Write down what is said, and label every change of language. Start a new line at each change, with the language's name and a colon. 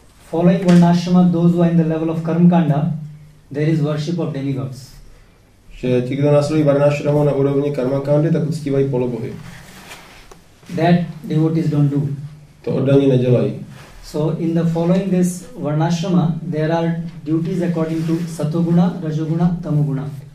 English: Following varnashrama, those who are in the level of karmakanda, there is worship of demigods.
Czech: Že ti, kdo následují varnashrama na úrovni karmakandy, tak uctívají polobohy.
English: That devotees don't do.
Czech: To oddaní nedělají.
English: So in the following this varnashrama, there are duties according to satoguna, rajoguna, tamoguna.